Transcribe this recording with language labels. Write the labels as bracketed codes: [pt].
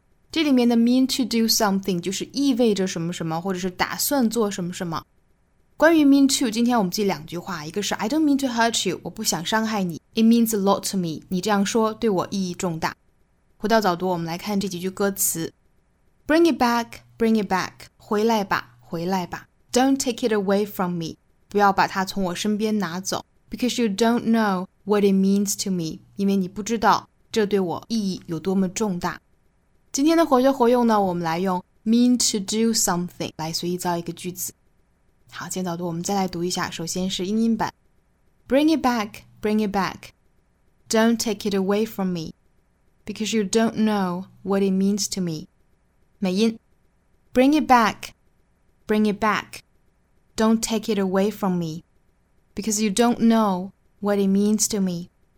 [zh] 这里面的 mean to do something 就是意味着什么什么，或者是打算做什么什么。关于 mean to， 今天我们记两句话，一个是 [en] I don't mean to hurt you， [zh] 我不想伤害你， [en] It means a lot to me， [zh] 你这样说对我意义重大。回到早读，我们来看这几句歌词。 [en] Bring it back, bring it back， [zh] 回来吧，回来吧。 [en] Don't take it away from me， [zh] 不要把它从我身边拿走。 [en] Because you don't know what it means to me， [zh] 因为你不知道这对我意义有多么重大。今天的活学活用呢，我们来用 mean to do something 来随意造一个句子。好，今天早读我们再来读一下，首先是英音版。 [en] Bring it back, bring it back. Don't take it away from me. Because you don't know what it means to me. [zh] 美音。 [en] Bring it back, bring it back. Don't take it away from me. Because you don't know what it means to me.